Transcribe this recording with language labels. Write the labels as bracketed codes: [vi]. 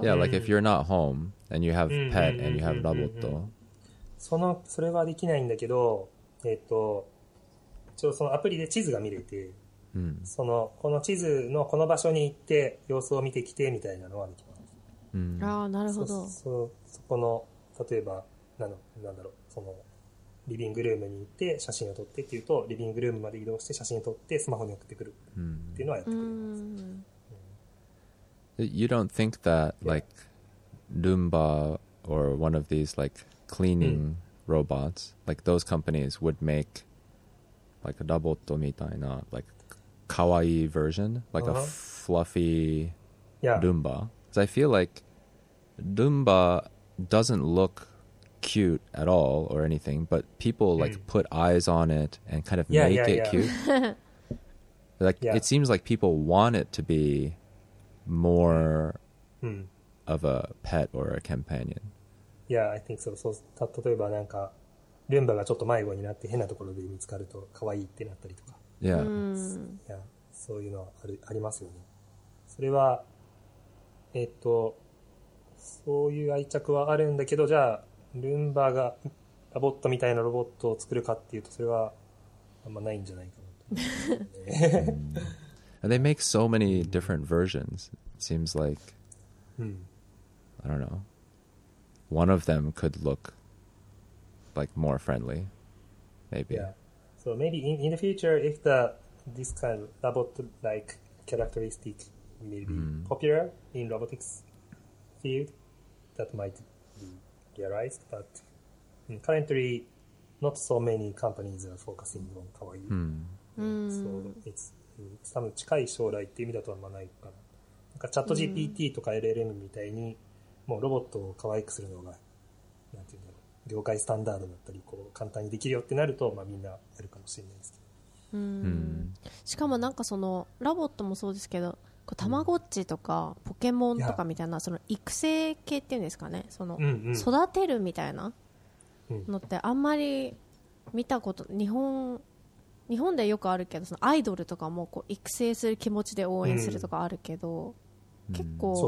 [en] Yeah, like if you're not home and you have pet and you have robot. [ja] それはできないんだけど、一応そのアプリで地図が見れて、そのこの地図のこの場所に行って様子を見てきてみたいなのはできます。ああ、なるほど。そこの例えば なんだろう、そのリビングルームに行って写真を撮ってっていうと、リビングルームまで移動して写真を撮ってスマホに送ってくるっていうのはやってくれます。 [en] You don't think that like Roomba or one of these like cleaning robots, like those companies would make like a Dabotto [ja] みたいな [en] like kawaii version, like a fluffy Roomba? Because I feel like Roomba doesn't look cute at all or anything, but people like put eyes on it and kind of make it cute. Like it seems like people want it to be... more of a pet or a companion. Yeah, I think so. [ja] So, 例えばなんかルンバがちょっと迷子になって変なところで見つかると可愛いってなったりとか。 [en] Yeah. [ja] そういうのはありますよね。それはそういう愛着はあるんだけど、じゃあルンバがロボットみたいなロボットを作るかっていうと、それはあんまないんじゃないかなと。 [en] And they make so many different versions. It seems like, I don't know, one of them could look like more friendly, maybe. Yeah. So maybe in the future, if this kind of robot-like characteristic may be popular in robotics field, that might be realized. But currently, not so many companies are focusing on kawaii. So it's... [ja] 多分近い将来っていう意味だとはあんまないかな。なんかチャット GPT とか LLM みたいに、もうロボットを可愛くするのが、なんていうんだろう、業界スタンダードだったり、こう簡単にできるよってなると、まあ、みんなやるかもしれないですけど。しかもなんかそのロボットもそうですけど、たまごっちとかポケモンとかみたいな、その育成系っていうんですかね、その育てるみたいなのってあんまり見たこと、日本でよくあるけど、そのアイドルとかもこう育成する気持ちで応援するとかあるけど、結構